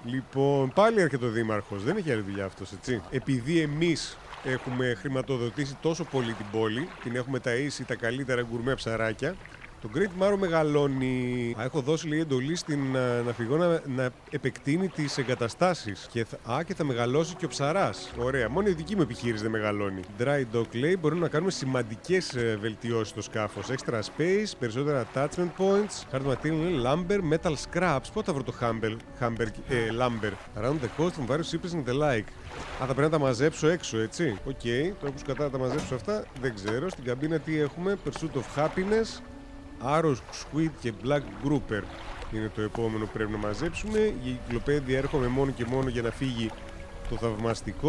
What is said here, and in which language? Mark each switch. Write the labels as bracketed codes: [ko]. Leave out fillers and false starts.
[el] Λοιπόν, πάλι έρχεται ο δήμαρχος. Δεν έχει άλλη δουλειά αυτός, έτσι. Επειδή εμείς έχουμε χρηματοδοτήσει τόσο πολύ την πόλη, την έχουμε ταΐσει τα καλύτερα γκουρμέ ψαράκια, το Great Maro μεγαλώνει. Α, έχω δώσει λέει εντολή στην Ναυφυγόνα να επεκτείνει τις εγκαταστάσεις. Και θα μεγαλώσει και ο ψαράς. Ωραία, μόνο η δική μου επιχείρηση δεν μεγαλώνει. Dry Dock λέει: μπορούμε να κάνουμε σημαντικές βελτιώσεις στο σκάφος. [en] Extra space, περισσότερα attachment points. Hard material λέει: Lumber, metal scraps. [el] Πότε θα βρω το Humber, Lumber. [en] Around the coast from various shipping and the like. [el] Α, θα πρέπει να τα μαζέψω έξω, έτσι. Οκ, okay, τώρα που σκατά να τα μαζέψω αυτά, δεν ξέρω. Στην καμπίνα τι έχουμε: [en] Pursuit of happiness. [el] Άρος, Squid και Black Grouper είναι το επόμενο που πρέπει να μαζέψουμε. Η κυκλοπαίδεια έρχομαι μόνο και μόνο για να φύγει το θαυμαστικό.